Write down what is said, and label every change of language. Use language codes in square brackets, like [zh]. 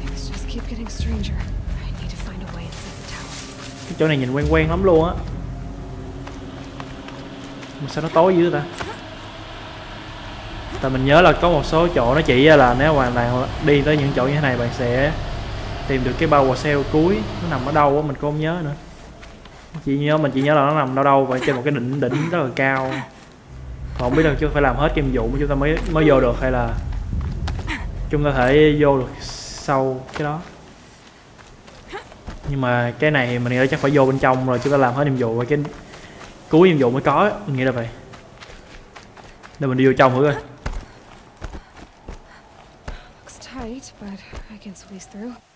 [en] Just keep getting stranger. I need to find a way inside the tower. [vi] Cái chỗ này nhìn quen lắm luôn á. Mà sao nó tối dữ ta? Tại mình nhớ là có một số chỗ nó chỉ ra là nếu hoàn toàn đi tới những chỗ như thế này bạn sẽ tìm được cái power cell cuối. Nó nằm ở đâu á, mình không nhớ nữa. Mình chỉ nhớ là nó nằm đâu vậy, trên một cái đỉnh rất là cao. Không biết là chúng ta phải làm hết cái nhiệm vụ chúng ta mới vô được, hay là chúng ta thể vô được sau cái đó. Nhưng mà cái này mình nghĩ là chắc phải vô bên trong rồi chúng ta làm hết nhiệm vụ và cái cuối nhiệm vụ mới có, mình nghĩ là vậy. Để mình đi vô trong thử coi. [en] Looks tight, but I can squeeze through.